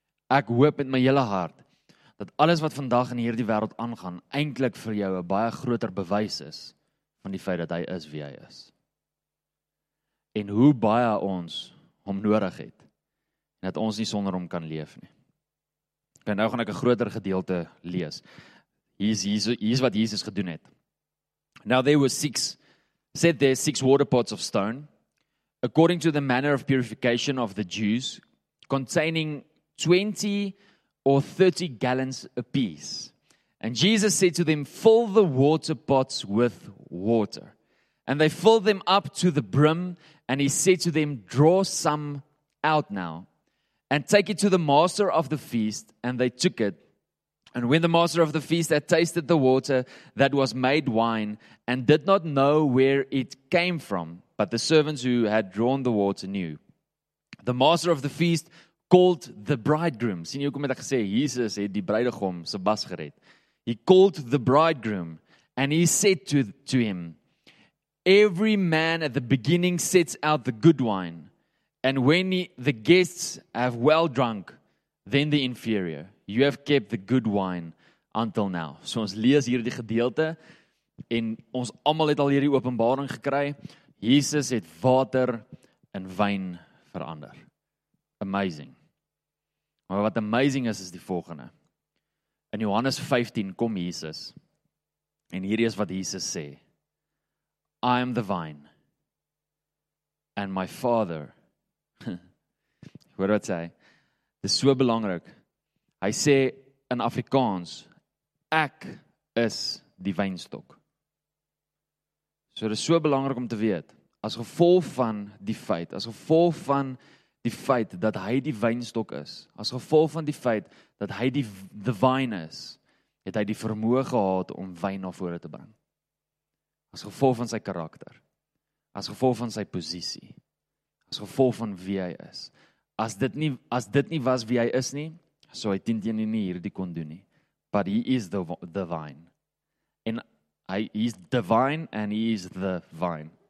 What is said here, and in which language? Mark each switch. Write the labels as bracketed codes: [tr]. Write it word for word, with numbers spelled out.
[af] Ek hoop met my hele hart, dat alles wat vandag in hierdie wêreld aangaan, eintlik vir jou 'n baie groter bewys is, van die feit dat hy is wie hy is. En hoe baie ons hom nodig het, en dat ons nie sonder hom kan leef nie. Okay, nou gaan ek 'n groter gedeelte lees. Hier is, hier is, hier is wat Jesus gedoen het. [en] Now there were six, said there six water pots of stone, according to the manner of purification of the Jews, containing twenty or thirty gallons apiece. And Jesus said to them, fill the water pots with water. And they filled them up to the brim, and he said to them, draw some out now, and take it to the master of the feast. And they took it. And when the master of the feast had tasted the water that was made wine, and did not know where it came from, but the servants who had drawn the water knew, the master of the feast called the bridegroom. [af] Sien jy hoekom het ek gesê Jesus het die bruidegom se bas gered? [en] He called the bridegroom and he said to, to him, every man at the beginning sets out the good wine, and when he, the guests have well drunk, then the inferior. You have kept the good wine until now. [af] So ons lees hierdie gedeelte en ons almal het al hierdie openbaring gekry. Jesus het water in wyn verander. Amazing. Maar wat amazing is, is die volgende. In Johannes vyftien kom Jesus. En hierdie is wat Jesus sê. [en] I am the vine, and my Father. [af] Hoor wat sê hy? Dit is so belangrik. Hy sê in Afrikaans, ek is die wynstok. So dit is so belangrik om te weet, as gevolg van die feit, as gevolg van die feit dat hy die wynstok is, as gevolg van die feit dat hy die, die wyn is, het hy die vermoë gehad om wyn na vore te bring. As gevolg van sy karakter, as gevolg van sy posisie, as gevolg van wie hy is. As dit nie, as dit nie was wie hy is nie, so hy teen teen nie hierdie kon doen nie. [en] But he is the, the vine. [af] En hy is [en] the vine and he is the vine.